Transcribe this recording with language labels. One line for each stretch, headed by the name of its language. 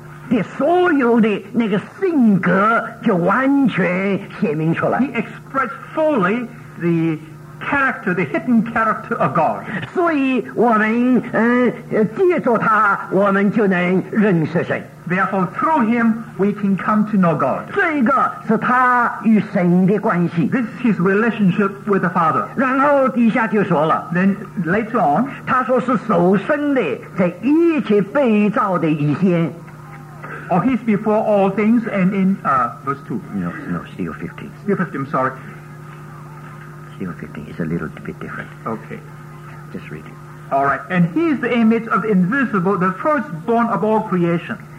Chinese: 他把神里面的所有的那个性格就完全显明出来。
English: He expressed fully the character, the hidden character of God.
Chinese: 所以我们借助他，我们就能认识神。
English: Therefore, through him, we can come to know God.
Chinese: 这个是他与神的关系。
English: This is his relationship with the Father.
Chinese: 然后底下就说了,
English: Then later on,
Chinese: 他说是首生的,在一切被造的以先。
English: Or he's before all things and in verse 2. No, still 15. Still 15, I'm sorry. Still 15 is a little bit different. Okay. Just read it. All right. And he is the image of the invisible, the firstborn of all creation.